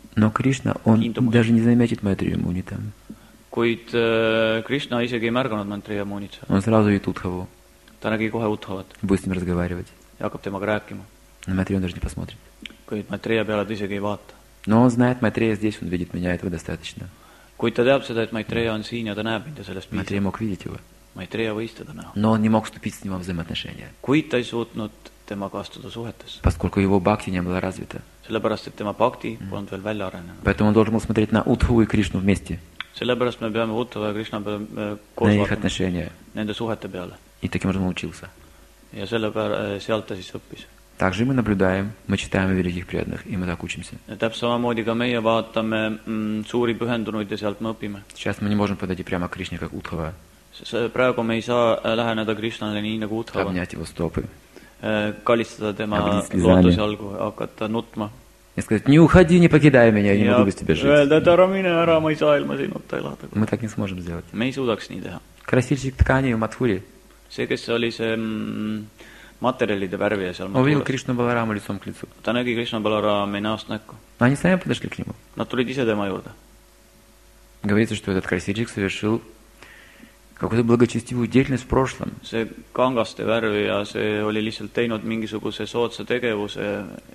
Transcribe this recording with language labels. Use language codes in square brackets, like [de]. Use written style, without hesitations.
[ru] Но Кришна, он Kindumus. Даже не заметит Майтрея Муни там. [et] Kuid Кришна isegi ei märganud Майтрея Муни. [ru] Он сразу видит Утхаву. [et] Ta nägi kohe Utthavat. [ru] Будет с ним разговаривать. [et] Ja hakkab temaga rääkima. [ru] На Майтрея он даже не посмотрит. [et] Kuid Майтрея peale ta isegi ei vaata. [ru] Но он знает, Майтрея здесь, он видит меня, этого достаточно. [et] Kuid ta teab seda, et Майтрея on siin ja ta näeb mind ja sellest piisab. [ru] Майтрея мог видеть его. [et] Майтрея võis teda näha. [ru] Но он не мог вступить с ним во взаимоотношения. [et] Kuid ta ei suutnud temaga astuda suhetesse. [ru] Поскольку его бхакти не было развито. [et] Sellepärast, et tema bhakti polnud veel välja arenenud. [ru] Поэтому он должен был смотреть на Утхаву и Кришну вместе. [et] Sellepärast me peame Utthava ja Krishna peale koos vaatama. [ru] Их отношения. [et] Nende suhete peale. [ru] И таким образом учился. [et] Ja sealt ta siis õppis. [ru] Также мы наблюдаем, мы читаем великих преданных, и мы так учимся. [et] Täpselt samamoodi ka meie vaatame suuri pühendunuid ja sealt me õpime. [ru] Сейчас мы не можем подойти прямо к Кришне, как Утхава. [et] Praegu me ei saa läheneda Krishnale nii nagu Utthava. [ru] Обнять его стопы. [et] Kallistada tema lootuse algu, hakata nutma. Ja [ru] сказать, не уходи, не покидай меня, я не могу без тебя жить. [et] Öelda, et ära mine, ära, ma ei saa ilma sinuta elada. [ru] Мы так не сможем сделать. [et] Me ei suudaks nii teha. [ru] Красильщик ткани в Матхуре. [et] See, kes oli see materjalide värvi ja seal [ru] Матхуре. Увидел Кришну Баларама лицом к лицу. [et] Ta nägi Кришну Баларама näost näkku. [ru] Они сами подошли к нему. [et] Nad tulid ise tema juurde. [ru] Говорится, что этот красильщик совершил какую-то благочестивую деятельность в прошлом. [et] See kangaste värvi ja see oli lihtsalt teinud mingisuguse soodsa tegevuse.